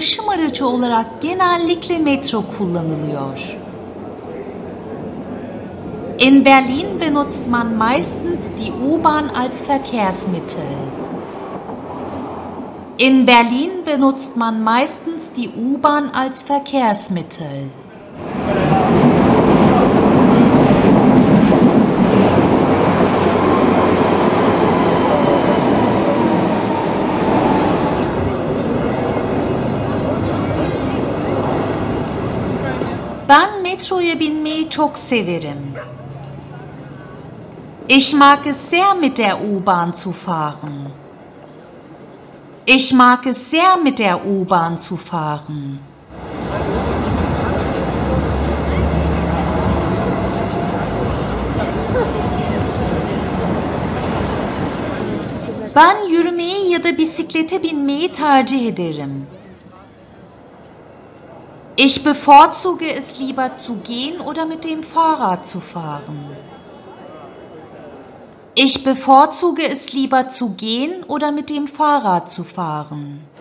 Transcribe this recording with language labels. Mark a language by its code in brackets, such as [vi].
[tr] araçı olarak genellikle metro kullanılıyor. [de] In Berlin benutzt man meistens die U-Bahn als Verkehrsmittel. In Berlin benutzt man meistens die U-Bahn als Verkehrsmittel. [tr] Ben metroya binmeyi çok severim. [de] Ich mag es sehr, mit der U-Bahn zu fahren. Ich mag es sehr, mit der U-Bahn zu fahren. [tr] Ben yürümeyi ya da bisiklete binmeyi tercih ederim. [de] Ich bevorzuge es lieber zu gehen oder mit dem Fahrrad zu fahren. Ich bevorzuge es lieber zu gehen oder mit dem Fahrrad zu fahren.